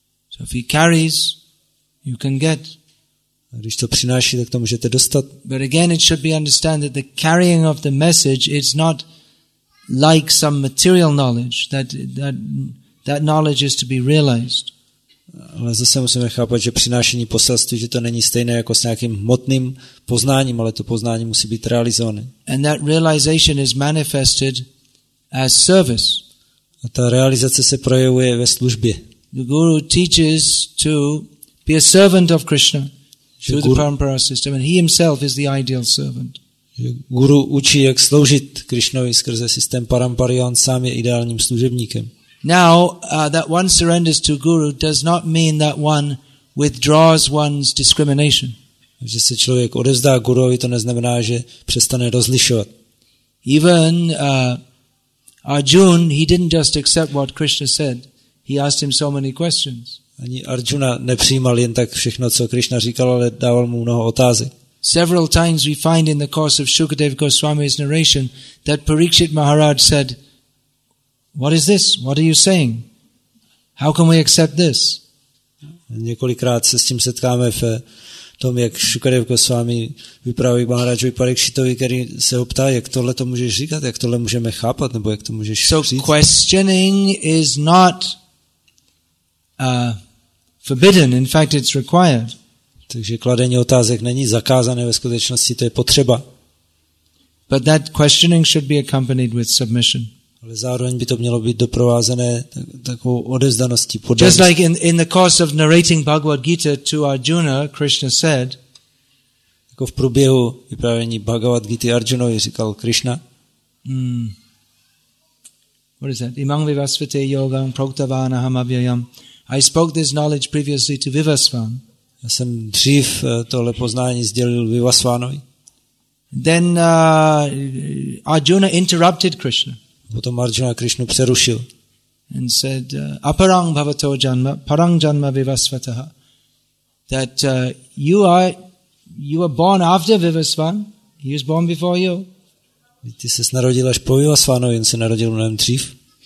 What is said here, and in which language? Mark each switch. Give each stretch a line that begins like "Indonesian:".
English: So if he carries, you can get.
Czech: A když to přináší, tak to můžete dostat.
English: But again, it should be understood that the carrying of the message is not like some material knowledge, that knowledge is to be realized.
Czech: Ale zase musíme chápat, že přinášení poselství, že to není stejné jako s nějakým hmotným poznáním, ale to poznání musí být realizované.
English: And that realization is manifested as service.
Czech: A ta realizace se projevuje ve službě.
English: The guru teaches to be a servant of Krishna through the parampara system, and he himself is the ideal servant.
Czech: Guru učí, jak sloužit Krishnovi skrze systém parampary, on sám je ideálním služebníkem.
English: Now, that one surrenders to guru does not mean that one withdraws one's discrimination.
Czech: Že se člověk odevzdá guruovi, to neznamená, že přestane rozlišovat.
English: Even Arjuna, he didn't just accept what Krishna said. He asked him so many questions.
Czech: Ani Arjuna nepřijímal jen tak všechno, co Krishna říkal, ale dával mu mnoho otázek.
English: Several times we find in the course of Shukadev Goswami's narration that Parikshit Maharaj said, "What is this? What are you saying? How can we accept this?"
Czech: Několikrát se s tím setkáme v tom, jak Shukadev Goswami vypráví Maharajovi Parikshitovi, který se ho ptá, jak tohle to můžeš říkat, jak tohle můžeme chápat, nebo jak to můžeš
English: so
Czech: říct.
English: So questioning is not forbidden, in fact it's required.
Czech: Takže kladení otázek není zakázané, ve skutečnosti to je potřeba.
English: But that questioning should be accompanied with submission.
Czech: Ale zároveň by to mělo být doprovázené takovou odevzdaností.
English: Just like in the course of narrating Bhagavad Gita to Arjuna, Krishna said,
Czech: jako v průběhu vyprávění Bhagavad Gita Arjunovi říkal Krishna,
English: what is that?
Sanskrit: Imam vivasvate yogam proktavana hamavyayam.
English: I spoke this knowledge previously to Vivasvan.
Czech: Já jsem dřív tohle poznání sdělil Vivasvanovi.
English: Then Arjuna interrupted Krishna.
Czech: Potom Arjuna Krishnu přerušil.
English: And said,
Sanskrit: aparang bhavato janma, parang janma vivasvataha.
English: That you are born after Vivasvan. He was born before you.
Czech: Ty ses narodil až po Vivasvanovi, on se narodil mnohem dřív.